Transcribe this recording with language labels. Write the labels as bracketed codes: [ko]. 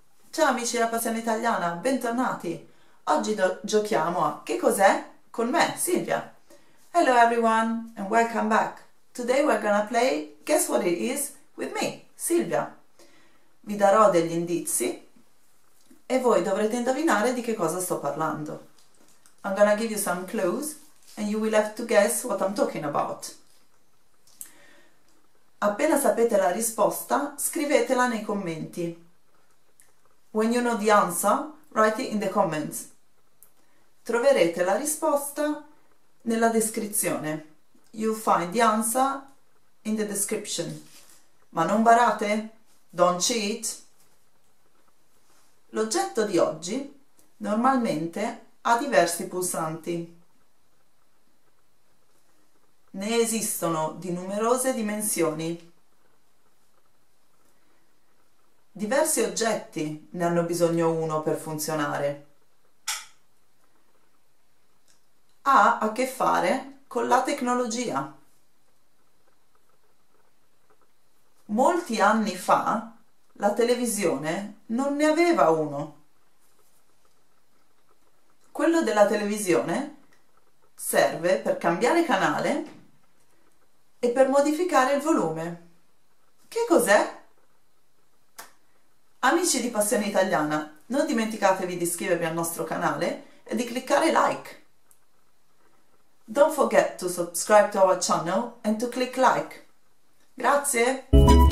[it] Ciao amici della passione italiana, bentornati. Oggi giochiamo a Che cos'è? Con me, Silvia. [en] Hello everyone and welcome back. Today we're gonna play Guess What It Is with me, Silvia. [it] Vi darò degli indizi e voi dovrete indovinare di che cosa sto parlando. [en] I'm gonna give you some clues and you will have to guess what I'm talking about. [it] Appena sapete la risposta, scrivetela nei commenti. [en] When you know the answer, write it in the comments. [it] Troverete la risposta nella descrizione. [en] You'll find the answer in the description. [it] Ma non barate? [en] Don't cheat! [it] L'oggetto di oggi normalmente ha diversi pulsanti. Ne esistono di numerose dimensioni. Diversi oggetti ne hanno bisogno uno per funzionare. Ha a che fare con la tecnologia. Molti anni fa la televisione non ne aveva uno. Quello della televisione serve per cambiare canale e per modificare il volume. Che cos'è? Amici di Passione Italiana, non dimenticatevi di iscrivervi al nostro canale e di cliccare like. [en] Don't forget to subscribe to our channel and to click like. [it] Grazie!